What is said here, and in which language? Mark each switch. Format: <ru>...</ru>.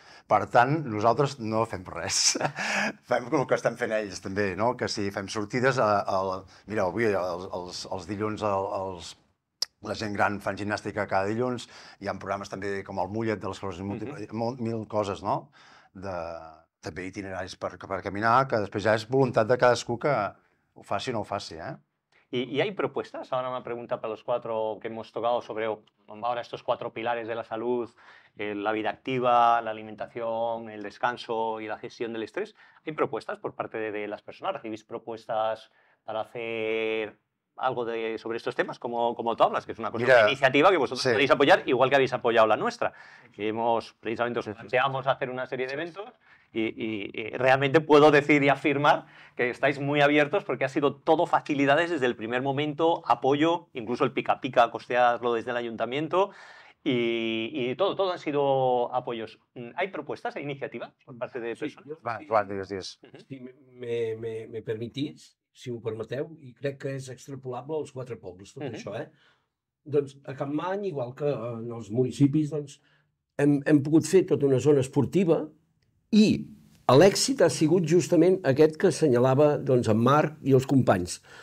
<ca>Per tant, nosaltres no fem res. Fem el que estan fent ells, també, no? Que si fem sortides... Mira, avui, els dilluns, la gent gran fan gimnàstica cada dilluns, hi ha programes també com el Mullet de les coses mil coses, no? També itineraris per caminar, que després ja és voluntat de cadascú que ho faci o no ho faci, eh?</ca> <es>¿Y hay propuestas? Ahora una pregunta para los cuatro que hemos tocado sobre ahora estos cuatro pilares de la salud, la vida activa, la alimentación, el descanso y la gestión del estrés. ¿Hay propuestas por parte de las personas? ¿Recibís propuestas para hacer algo sobre estos temas, como tú hablas, que es una cosa, una iniciativa que vosotros podéis apoyar, igual que habéis apoyado la nuestra? Que hemos, precisamente, os planteamos hacer una serie de eventos y realmente puedo decir y afirmar que estáis muy abiertos porque ha sido todo facilidades desde el primer momento, apoyo, incluso el pica-pica, costearlo desde el ayuntamiento y todo han sido apoyos. ¿Hay propuestas e iniciativas por parte de personas?</es> <ca>Va, Joan, digues.</ca> <es>Si me permitís,</es> <ca>si m'ho permeteu, i crec que és extrapolable als quatre pobles, tot això, eh? Doncs a Campmany, igual que en els municipis, doncs, hem pogut fer tota una zona esportiva i l'èxit ha sigut justament aquest que assenyalava, doncs, en Marc i els companys.</ca>